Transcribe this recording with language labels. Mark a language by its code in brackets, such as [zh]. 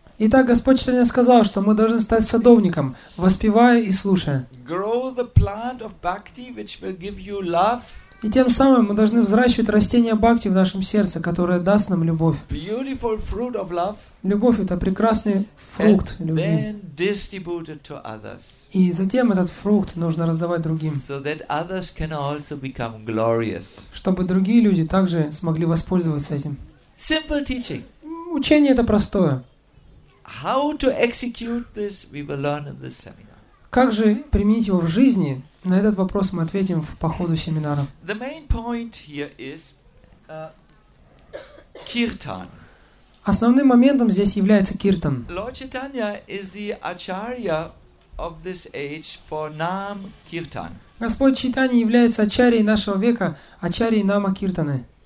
[ru] Итак, Господь Читания сказал, что мы должны стать садовником, воспевая и слушая. [en] Grow the plant of bhakti, which will give you love. [ru] И тем самым мы должны взращивать растение бхакти в нашем сердце, которое даст нам любовь. [en] Beautiful fruit of love. [ru] Любовь – это прекрасный фрукт [en] and [ru] любви. [en] Then distribute it to others. [ru] И затем этот фрукт нужно раздавать другим, [en] so that others can also become glorious. [ru] Чтобы другие люди также смогли воспользоваться этим. [en] Simple teaching. [ru] учение это простое. [en] How to execute this, we will learn in this seminar. [ru] Как же применить его в жизни? На этот вопрос мы ответим по ходу семинара. [en] The main point here is kirtan. [ru] Основным моментом здесь является киртан. [en] Lord Chaitanya is the acharya of this age for nam kirtan. [ru] Господь Чайтанья является ачарьей нашего века, ачарьей нама киртаны.